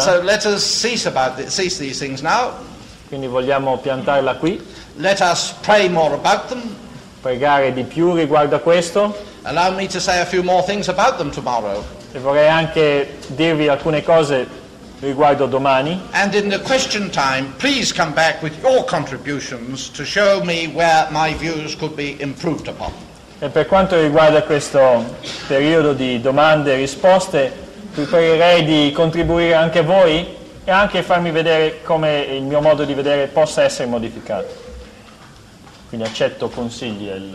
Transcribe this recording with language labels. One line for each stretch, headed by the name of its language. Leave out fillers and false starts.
English: So let us cease these things now.
Italian: Quindi vogliamo piantarla qui.
English: Let us pray more about them.
Italian: Pregare di più riguardo a questo.
English: Allow me to say a few more things about them tomorrow.
Italian: E vorrei anche dirvi alcune cose riguardo domani.
English: And in the question time, please come back with your contributions to show me where my views could be improved upon.
Italian: E per quanto riguarda questo periodo di domande e risposte, preferirei di contribuire anche voi e anche farmi vedere come il mio modo di vedere possa essere modificato. Quindi accetto consigli.